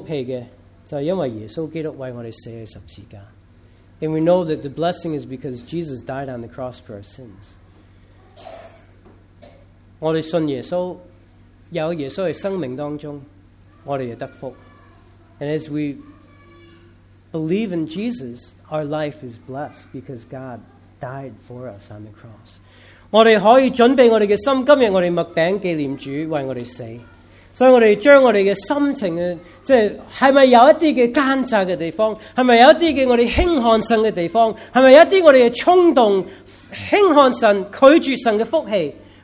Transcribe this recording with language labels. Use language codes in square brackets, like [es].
[zh] 我们今天知道福气的，就是因为耶稣基督为我们死在十字架。 [en] And we know that the blessing is because Jesus died on the cross for our sins. [zh] 我们信耶稣，有耶稣在生命当中，我们也得福。 [en] And as we believe in Jesus, our life is blessed because God died for us on the cross. [zh] 我们可以准备我们的心，今天我们麦饼纪念主为我们死，所以我们将我们的心情，即是不是有一些的奸诈的地方，是不是有一些我们轻看神的地方，是不是有一些我们冲动轻看神拒绝神的福气？